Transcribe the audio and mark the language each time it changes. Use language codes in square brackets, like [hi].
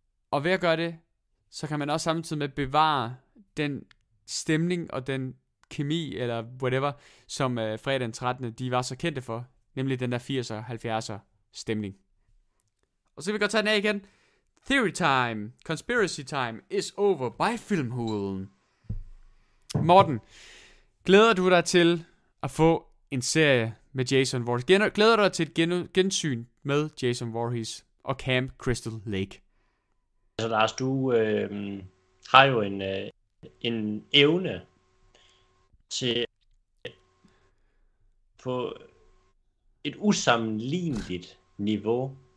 [da] Og ved at gøre det, så kan man også samtidig med bevare den stemning og den kemi, eller whatever, som fredag den 13. de var så kendte for. Nemlig den der 80'er, 70'er stemning. Og så kan vi godt tage den af igen. [en] Theory time. Conspiracy time is over by filmhulen. [da] Morten, glæder du dig til at få en serie med Jason Voorhees. Glæder du dig til et gensyn med Jason Voorhees og Camp Crystal Lake? Altså Lars, du har jo en evne til på et usammenligneligt niveau.